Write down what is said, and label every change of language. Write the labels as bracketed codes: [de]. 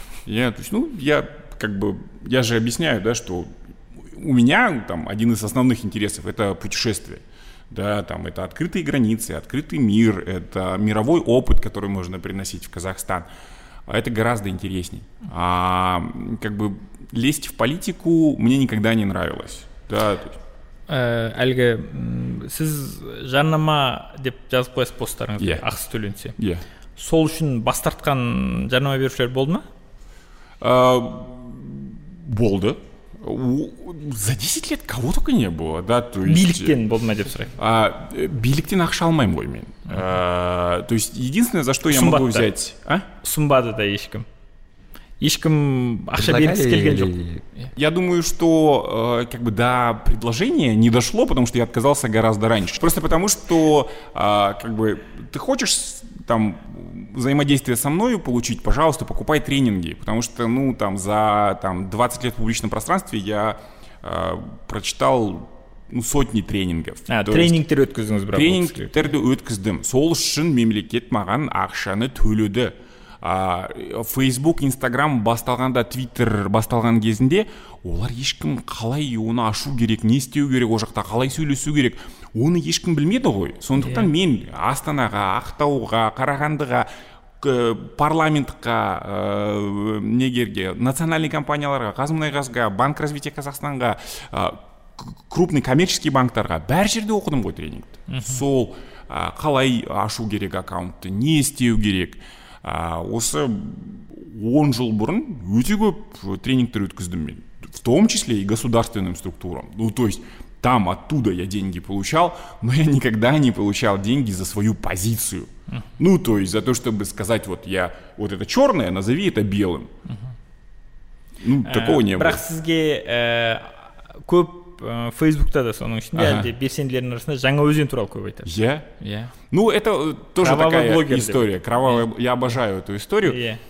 [ru] Я, то есть, ну, я как бы, я же объясняю, да, что у меня там один из основных интересов — это путешествие. Да, там это открытые границы, открытый мир, это мировой опыт, который можно приносить в Казахстан. Это гораздо интересней. А как бы лезть в политику мне никогда не нравилось. Да, то есть. [kk] Әлгі, сіз жарнама деп жазып қойасыз посттарыңызды, ақысы төленсе. Сол үшін бас тартқан жарнама берушілер болды ма? Болды. [ru] За 10 лет кого только не было, да, то есть... [kk] Биліктен болды ма деп сұрайды? Биліктен ақша алмаймын ғой мен. [ru] То есть единственное, за что я могу взять... [kk] Сумбады да ешкім. Ишкам ахшабинский гельгельгель. [ru] Я думаю, что как бы до предложения не дошло, потому что я отказался гораздо раньше. Просто потому, что как бы ты хочешь там взаимодействие со мною получить, пожалуйста, покупай тренинги. Потому что, ну, там, за там, 20 лет в публичном пространстве я прочитал, сотни тренингов. [kk] Тренингтер өткіздіңіз бірақ? Тренингтерді өткіздім. Сол үшін мемлекет маған ақшаны төледі. Фейсбук, Инстаграм басталғанда, Твиттер басталған кезінде олар ешкім қалай оны ашу керек, не істеу керек, о жақта қалай сөйлесу керек, оны ешкім білмеді ғой. Сондықтан мен Астанаға, Ақтауға, Қарағандыға, парламентқа, негерге, национальный компанияларға, Қазмұнайгазға, Банк развития Қазақстанға, [ru] крупный коммерческий [kk] банктарға бәр жерде оқыдым ғой тренингті. Сол қалай ашу керек аккаунтты, не істеу керек. Осы 10 жыл бұрын өте көп тренингтер өткіздім мен, [ru] в том числе и государственным структурам. Ну, то есть, там, оттуда я деньги получал, но я никогда не получал деньги за свою позицию. Ну, то есть, за то, чтобы сказать, вот я, вот это черное, назови это белым. Ну, такого не было. [kk] Бірақ сізге көп Фейсбукта да соның ішінде, әлде белсенділердің арасында жаңа өзен туралы көп айтады. Иә. Yeah. Yeah. [ru] Ну, это тоже кровавый такая история. Кровавая, я обожаю эту историю.